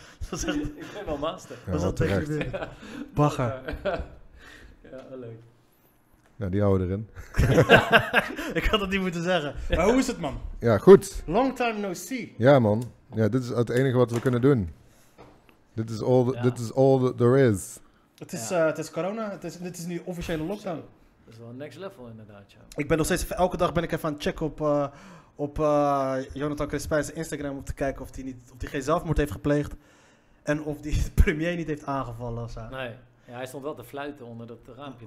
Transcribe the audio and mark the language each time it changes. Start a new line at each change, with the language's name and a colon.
Dutch: Dat echt... Ik ben wel master. Ja, dat is wel terecht. Bagger. Ja, leuk. Ja, die houden erin. Ik had het niet moeten zeggen. Maar hoe is het, man? Ja, goed.
English: Long time no see.
Dutch: Ja, man. Ja, dit is het enige wat we kunnen doen. Dit is
English: all, the, this is all that there is.
Dutch: Het is, ja. Het is corona. Dit is nu officiële lockdown. Dat is wel next level inderdaad, ja. Ik ben nog steeds, elke dag ben ik even aan het checken op Jonathan Crispijn's Instagram om te kijken of die geen zelfmoord heeft gepleegd. En of die de premier niet heeft aangevallen of zo. Nee. Ja, hij stond wel te fluiten onder dat raampje.